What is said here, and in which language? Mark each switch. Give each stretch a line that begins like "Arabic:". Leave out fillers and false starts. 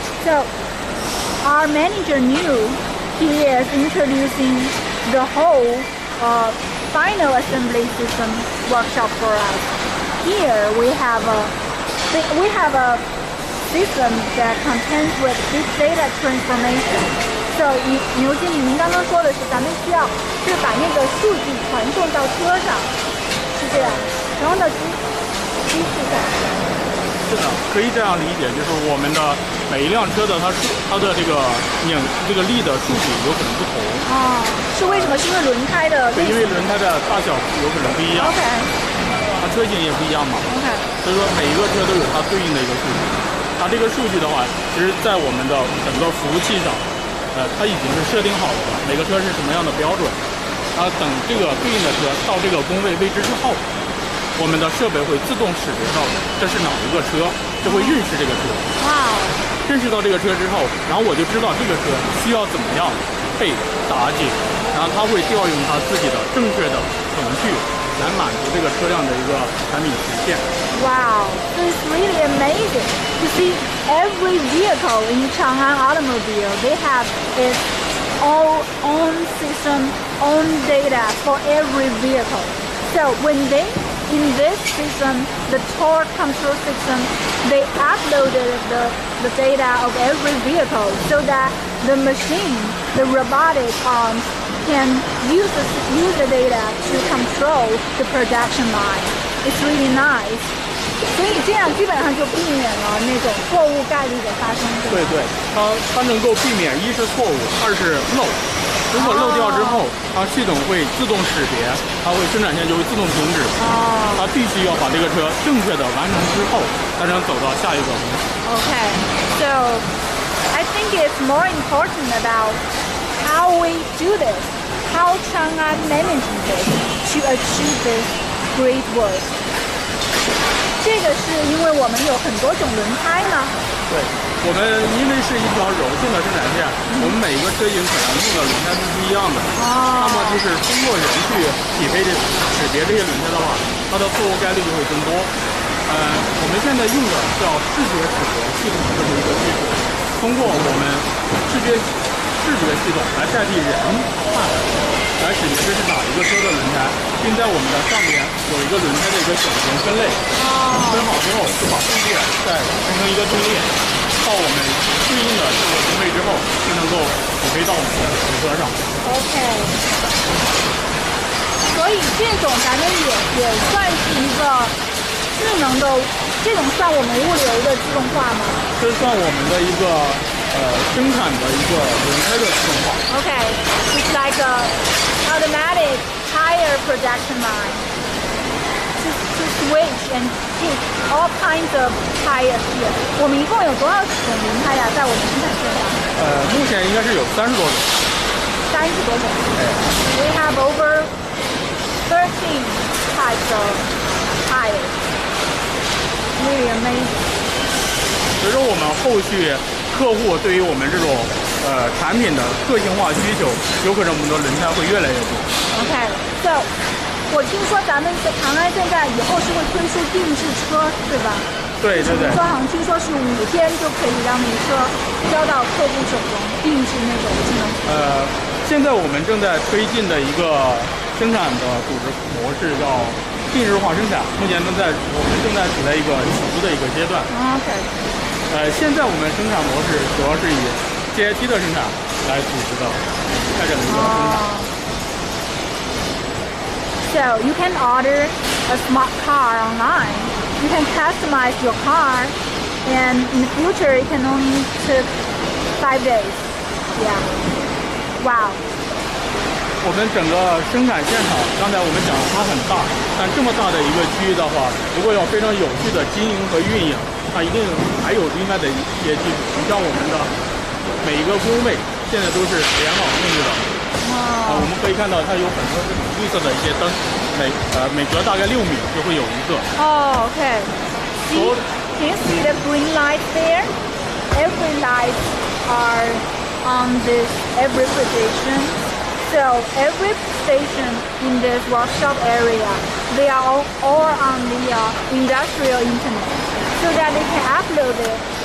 English: So our manager knew he is introducing the whole final assembly system workshop for us. Here we have a system that contains with big data transformation.
Chinese: So 牛经理您刚刚说的是咱们需要就把那个数据传送到车上，是这样，传送到机器上。是的，可以这样理解，就是我们的每一辆车的它的这个拧这个力的数据有可能不同。啊，是为什么？是因为轮胎的？对，因为轮胎的大小有可能不一样。
English: OK。
Chinese: 它车型也不一样嘛。
English: OK。
Chinese: 所以说每一个车都有它对应的一个数据。它这个数据的话，其实在我们的整个服务器上，它已经是设定好了每个车是什么样的标准。它等这个对应的车到这个工位位置之后。我们的设备会自动识别到这是哪一个车，就会认识这个车。哇！认识到这个车之后，然后我就知道这个车需要怎么样被打紧，然后它会调用它自己的正确的程序来满足这个车辆的一个产品实现。
English: 哇 ！It's really amazing to see every vehicle in Chang'an Automobile. They have its own system, own data for every vehicle. So when they in this system, the torque control system, they uploaded the data of every vehicle so that the machine, the robotic arm, can use the data to control the production line. It's really nice.
Chinese: 所以这样基本上就避免了那种错误概率的发生。对对，它能够避免一是错误，二是漏。如果漏掉之后，它系统会自动识别，它会生产线就会自动停止。哦，它必须要把这个车正确的完成之后，才能走到下一个工序。
English: Okay, so I think it's more important about how we do this, how Chang'an manages this to achieve this great work.
Chinese: 这个是因为我们有很多种轮胎吗？对。我们因为是一条柔性的生产线，我们每一个车型可能用的轮胎都是一样的。哦。那么就是通过人去匹配这识别这些轮胎的话，它的错误概率就会增多。我们现在用的叫视觉识别系统这么一个技术，通过我们视觉系统来代替人看，来识别这是哪一个车的轮胎，并在我们的上面有一个轮胎的一个小型分类。哦。分好之后，就把阵列再形成一个阵列。到我们对应的这个工位之后，就能够匹配到我们的车上。
English: OK。
Chinese: 所以这种咱们也算是一个智能的，这种算我们物流的自动化吗？这算我们的一个生产的一个轮胎的自动化。
English: OK， it's like a automatic tire production line to switch and pick all kinds of tires here.
Chinese: 我们一共有多少种轮胎呀？在我们生产线上？目前应该是有三十多种。三十多种。
English: We have over 13 types of tires. Really amazing.
Chinese: 随着我们后续客户对于我们这种产品的个性化需求，有可能我们的轮胎会越来越多。
English: OK， so
Chinese: 我听说咱们的长安现在以后是会推出定制车，对吧？对对对。说好像听说是五天就可以让你车交到客户手中，定制那种智能。现在我们正在推进的一个生产的组织模式叫定制化生产，目前我们正在处在一个起步的一个阶段。
English: OK。
Chinese: 现在我们生产模式主要是以 GIT 的生产来组织的开展的一个生产。
English: So you can order a smart car online. You can customize your car, and in the future it can only take 5 days. Yeah. Wow.
Chinese: 我们整个生产现场，刚才我们讲它很大，但这么大的一个区域的话，如果要非常有序的经营和运营，它一定还有另外的一些技术。你像我们的每一个工位现在都是联网控制的，我们可以看到它有很多绿色的一些灯，每隔大概6米就会有一个。
English: OK， see, can you see the green light there? Every light are on this every position. So every station in this workshop area, they are all on the industrial internet, so that they can upload it.